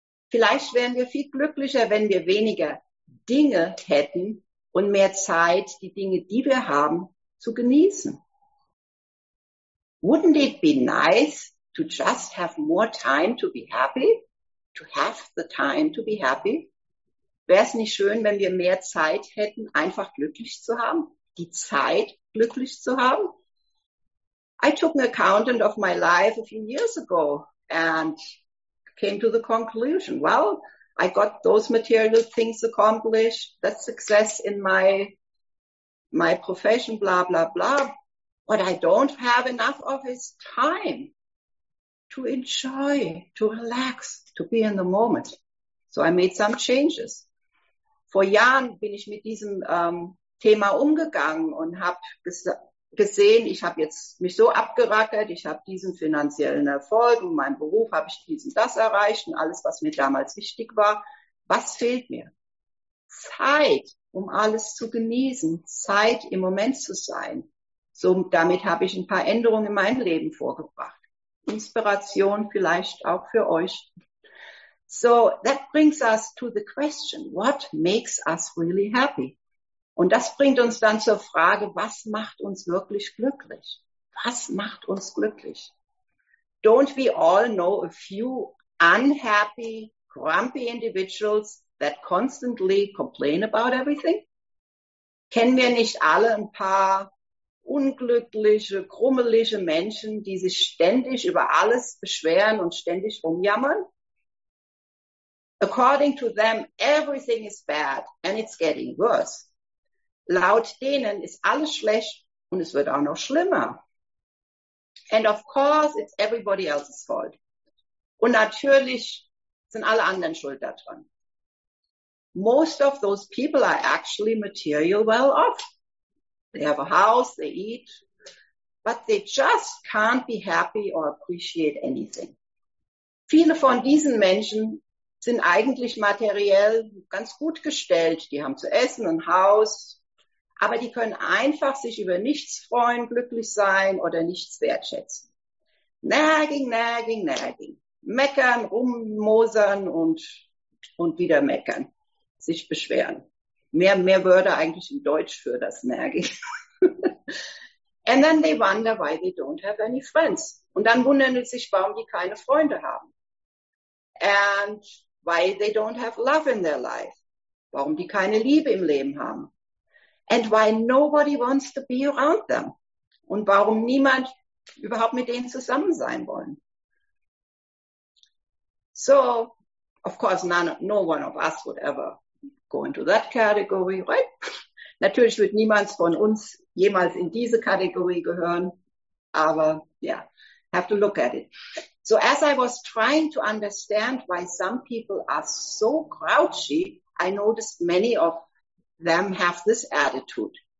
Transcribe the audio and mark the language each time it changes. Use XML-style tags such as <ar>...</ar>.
<de>Vielleicht wären wir viel glücklicher, wenn wir weniger Dinge hätten und mehr Zeit, die Dinge, die wir haben, zu genießen.</de> <en>Wouldn't it be nice to just have more time to be happy? To have the time to be happy?</en> <de>Wäre es nicht schön, wenn wir mehr Zeit hätten, einfach glücklich zu haben? Die Zeit, glücklich zu haben?</de> <en>I took an accountant of my life a few years ago and came to the conclusion, well, I got those material things accomplished, that's success in my profession, blah, blah, blah. What I don't have enough of is time to enjoy, to relax, to be in the moment. So I made some changes.</en> <de>Vor Jahren bin ich mit diesem Thema umgegangen und habe gesehen, ich habe jetzt mich so abgerackert, ich habe diesen finanziellen Erfolg und meinen Beruf, habe ich diesen das erreicht und alles, was mir damals wichtig war. Was fehlt mir? Zeit, um alles zu genießen, Zeit im Moment zu sein. So, damit habe ich ein paar Änderungen in meinem Leben vorgebracht. Inspiration vielleicht auch für euch.</de> <en>So, that brings us to the question, what makes us really happy?</en> <de>Und das bringt uns dann zur Frage, was macht uns wirklich glücklich? Was macht uns glücklich?</de> <en>Don't we all know a few unhappy, grumpy individuals that constantly complain about everything?</en> <de>Kennen wir nicht alle ein paar unglückliche, krummelige Menschen, die sich ständig über alles beschweren und ständig rumjammern?</de> <en>According to them, everything is bad and it's getting worse.</en> <de>Laut denen ist alles schlecht und es wird auch noch schlimmer.</de> <en>And of course, it's everybody else's fault.</en> <de>Und natürlich sind alle anderen schuld daran.</de> <en>Most of those people are actually material well off. They have a house, they eat, but they just can't be happy or appreciate anything.</en> <de>Viele von diesen Menschen sind eigentlich materiell ganz gut gestellt. Die haben zu essen, ein Haus, aber die können einfach sich über nichts freuen, glücklich sein oder nichts wertschätzen.</de> <en>Nagging, nagging, nagging.</en> <de>Meckern, rummosern und wieder meckern. Sich beschweren. Mehr Wörter eigentlich in Deutsch für das Nagging.</de> <en>And then they wonder why they don't have any friends.</en> <de>Und dann wundern sie sich, warum die keine Freunde haben.</de> <en>And why they don't have love in their life.</en> <de>Warum die keine Liebe im Leben haben.</de> <en>And why nobody wants to be around them.</en> <de>Und warum niemand überhaupt mit denen zusammen sein wollen.</de> <en>So, of course, no one of us would ever go into that category, right?</en> <de>Natürlich wird niemand von uns jemals in diese Kategorie gehören, aber</de> <en>yeah, have to look at it. So as I was trying to understand why some people are so grouchy, I noticed many of them have this attitude.</en>